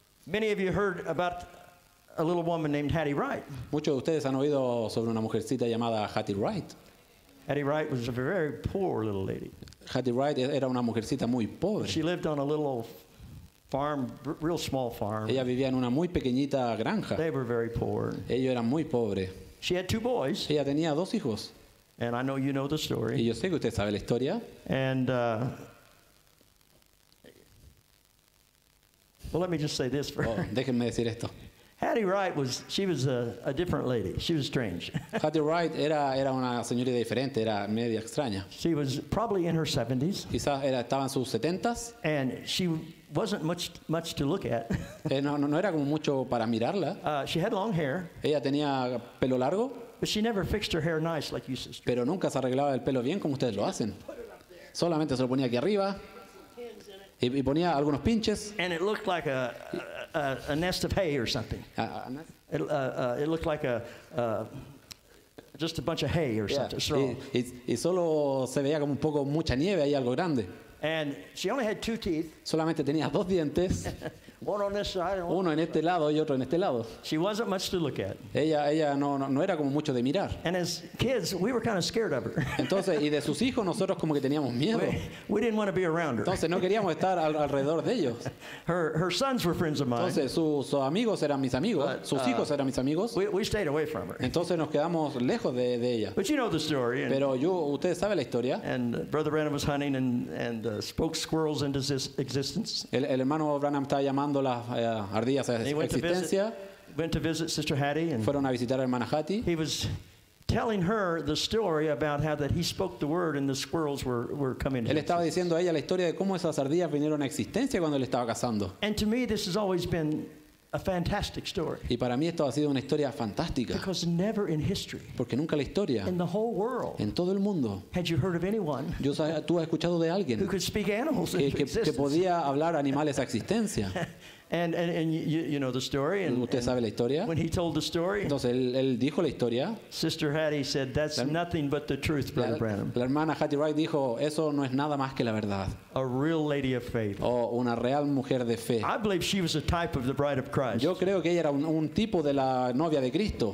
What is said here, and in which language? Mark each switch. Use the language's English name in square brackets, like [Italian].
[English] Many of you heard about a little woman named Hattie Wright. [Spanish] Muchos de ustedes han oído sobre una mujercita llamada Hattie Wright. [English] Hattie Wright was a very poor little lady. [Spanish] Hattie Wright era una mujercita muy pobre. [English] She lived on a little farm, real small farm. [Spanish] Ella vivía en una muy pequeñita granja. [English] They were very poor. [Spanish] Ellos eran muy pobres. [English] She had two boys. [Spanish] Ella tenía dos hijos. [English] And I know you know the story. [Spanish] Y yo sé que usted sabe la historia. [English] And well, let me just say this for her. [Spanish] Déjenme decir esto. [English] Hattie Wright was a different lady. She was strange. [Spanish] Hattie Wright era una señorita diferente, era media extraña. [English] She was probably in her 70s. [Spanish] Quizás estaba en sus 70s. [English] And she wasn't much to look at. [Spanish] No era como mucho para mirarla. [English] She had long hair. [Spanish] Ella tenía pelo largo. [English] But she never fixed her hair nice like you sisters. [Spanish] Pero nunca se arreglaba el pelo bien como ustedes lo hacen. Solamente se lo ponía aquí arriba. [English] Put some pins in it. [Spanish] y ponía algunos pinches. [English] And it looked like a nest of hay or something. It looked like just a bunch of hay or something. Yeah. [Spanish] Y solo se veía como un poco mucha nieve ahí, algo grande. [English] And she only had two teeth. [Spanish] Solamente tenía dos dientes. [English] One on this side. And one [Spanish] uno en este lado y otro en este lado. [English] She wasn't much to look at. [Spanish] Ella no era como mucho de mirar. [English] And as kids, we were kind of scared of her. [Spanish] Entonces, y de sus hijos nosotros como que teníamos miedo. [English] We didn't want to be around her. [Spanish] Entonces no queríamos estar alrededor de ellos. [English] Her sons were friends of mine. [Spanish] Entonces sus amigos eran mis amigos. [English] But, [Spanish] sus hijos eran mis amigos. [English] We stayed away from her. [Spanish] Entonces nos quedamos lejos de ella. [English] But you know the story. [Spanish] Pero ustedes saben la historia. [English] And Brother Branham was hunting and spoke squirrels into existence. [Spanish] El hermano Branham está llamando las ardillas a existencia. [English] Went to visit Sister Hattie, and [Spanish] fueron a visitar a hermana Hattie. [English] He was telling her the story about how that he spoke the word and the squirrels were coming. [Spanish] Él estaba diciendo a ella la historia de cómo esas ardillas vinieron a existencia cuando él estaba cazando. [English] And to me, this has always been a fantastic story. [Spanish] Y para mí esto ha sido una historia fantástica. [English] Because never in history, [Spanish] porque nunca la historia, [English] in the whole world, [Spanish] en todo el mundo, [English] had you heard of anyone, [Spanish] tú has escuchado de alguien, [English] who could speak animals into existence, [Spanish] que podía hablar animales a existencia. [English] And you know the story. And, [Spanish] ¿usted sabe la historia? [English] When he told the story, [Spanish] entonces él dijo la historia. [English] Sister Hattie said, "That's nothing but the truth, Brother Branham." [Spanish] La hermana Hattie Wright dijo, "Eso no es nada más que la verdad." [English] A real lady of faith. [Spanish] Oh, una real mujer de fe. [English] I believe she was a type of the bride of Christ. [Spanish] Yo creo que ella era un tipo de la novia de Cristo.